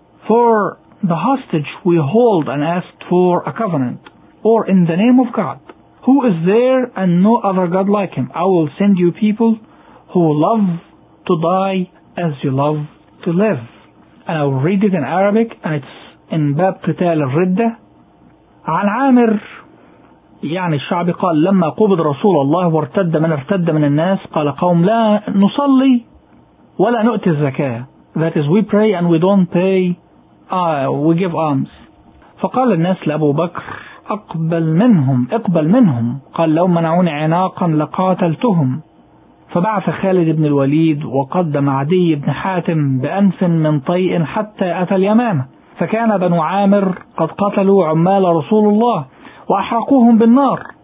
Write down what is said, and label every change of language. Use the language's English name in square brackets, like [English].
[English] For the hostage we hold and asked for a covenant, or in the name of God, who is there and no other God like him, I will send you people who love to die as you love to live. And I will read it in Arabic, and it's in Bab Qital al-Ridda. [Arabic] عن عامر يعني الشعب قال لما قبض رسول الله وارتد من ارتد من الناس قال قوم لا نصلي ولا نؤتي الزكاة. [English] That is, we pray and we don't pay, we give alms. [Arabic] فقال الناس لأبو بكر أقبل منهم اقبل منهم قال لو منعوني عناقا لقاتلتهم. فبعث خالد بن الوليد وقدم عدي بن حاتم بأنف من طيء حتى أتى اليمامة. فكان بنو عامر قد قتلوا عمال رسول الله وأحرقوهم بالنار.